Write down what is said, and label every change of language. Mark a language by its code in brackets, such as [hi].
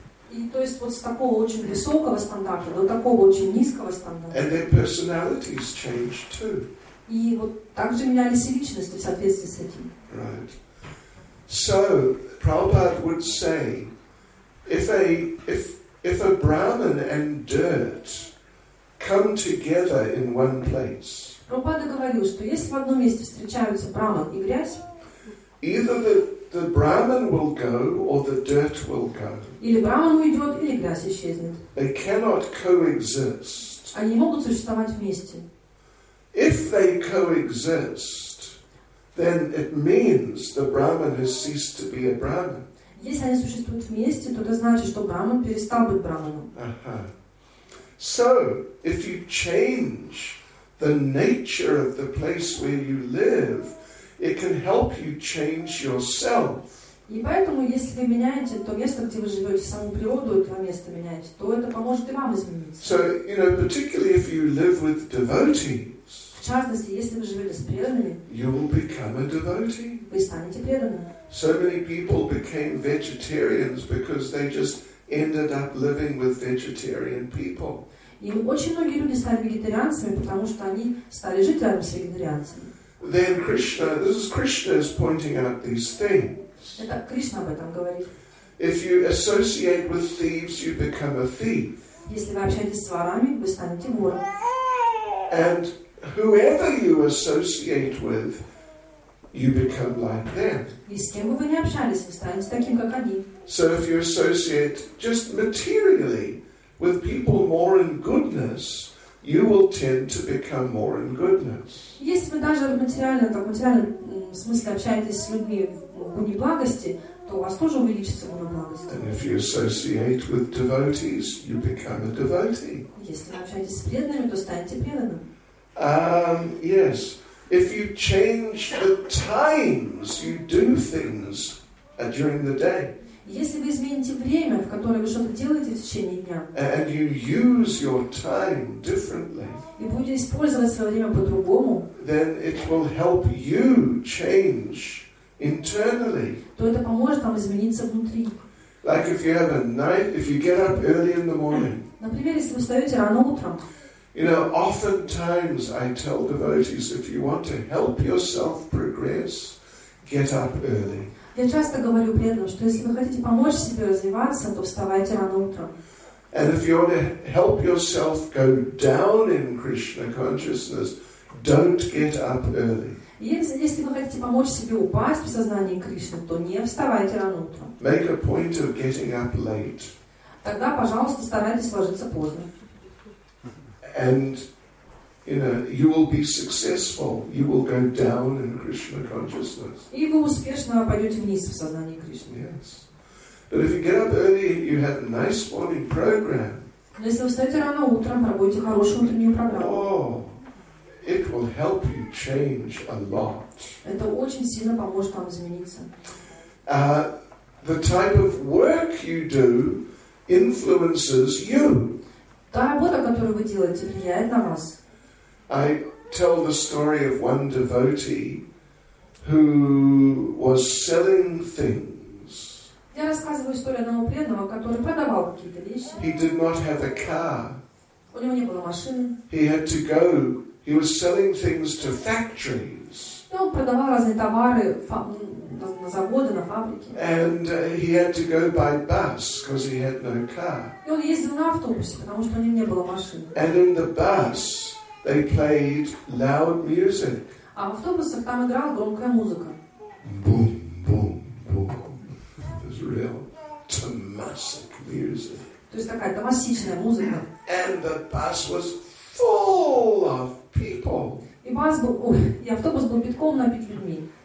[ru] И то есть вот с такого очень высокого стандарта до такого очень низкого стандарта. [en] And their personalities changed too. [ru] И вот также менялись и личности в соответствии с этим. [en] Right. So Prabhupada would say, if a Brahmin and dirt come together in one place. [ru] Прабхупада говорил, что если в одном месте встречаются Брахман и грязь, [en] either the the Brahman will go or the dirt will go. [ru] Или Браман уйдет, или грязь исчезнет. [en] They cannot coexist. [ru] Они не могут существовать вместе. [en] If they coexist, then it means the Brahman has ceased to be a Brahman. [ru] Если они существуют вместе, то это значит, что Браман перестал быть Браманом. Ага. [en] So, if you change the nature of the place where you live, it can help you change yourself. [ru] И поэтому, если вы меняете то место, где вы живете, саму природу этого места меняете, то это поможет и вам измениться. [en] So, you know, particularly if you live with devotees, [ru] в частности, если вы живете с преданными, [en] you will become a devotee. [ru] Вы станете преданным. [en] So many people became vegetarians because they just ended up living with vegetarian people. [ru] И очень многие люди стали вегетарианцами, потому что они стали жить рядом с вегетарианцами. [en] Then Krishna, this is Krishna is pointing out these things. [ru] Это Кришна об этом говорит. [en] If you associate with thieves, you become a thief. [ru] Если вы общаетесь с ворами, вы станете вором. [en] And whoever you associate with, you become like them. [ru] И с кем бы вы ни общались, вы станете таким, как они. [en] So if you associate just materially with people more in goodness, you will tend to become more in goodness. [ru] Если вы даже материально, так материально, в смысле общаетесь с людьми в гуне благости, то у вас тоже увеличится гуна благости. [en] And if you associate with devotees, you become a devotee. [ru] Если вы общаетесь с преданными, то станете преданным. [en] Yes. If you change the times you do things during the day. [ru] Если вы измените время, в которое вы что-то делаете в течение дня. [en] And you use your time differently. [ru] И будете использовать свое время по-другому. [en] Then it will help you change internally. [ru] То это поможет вам измениться внутри. [en] Like if you have a night, if you get up early in the morning. [ru] Например, если вы встаете рано утром. [en] You know, oftentimes I tell devotees, if you want to help yourself progress, get up early. [ru] Я часто говорю преданным, что если вы хотите помочь себе развиваться, то вставайте рано утром. [en] And if you want to help yourself go down in Krishna consciousness, don't get up early. [ru] Если вы хотите помочь себе упасть в сознании Кришны, то не вставайте рано утром. [en] Make a point of getting up late. [ru] Тогда, пожалуйста, старайтесь ложиться поздно. [en] And you know, you will be successful. You will go down in Krishna consciousness. [ru] И вы успешно пойдете вниз в сознании Кришны. [en] Yes. But if you get up early, you have a nice morning program. [ru] Но если вы встаете рано утром, проводите хорошую утреннюю программу. [en] Oh, it will help you change a lot. [ru] Это очень сильно поможет вам измениться. [en] The type of work you do influences you. [ru] Та работа, которую вы делаете, влияет на вас. [en] I tell the story of one devotee who was selling things. [ru] Я рассказываю историю одного преданного, который продавал какие-то вещи. [en] He did not have a car. [ru] У него не было машины. [en] He had to go. He was selling things to factories. [ru] И он продавал разные товары на заводы, на фабрики. [en] And he had to go by bus because he had no car. [ru] И он ездил на автобусе, потому что у него не было машины. [en] And in the bus, they played loud music. [ru] А в автобусах там играла громкая музыка. [en] Boom, boom, boom. It was real tamasic music. [ru] То есть такая тамасичная музыка. [en] And the bus was full of people. [ru] И бас был, и автобус был битком набит людьми.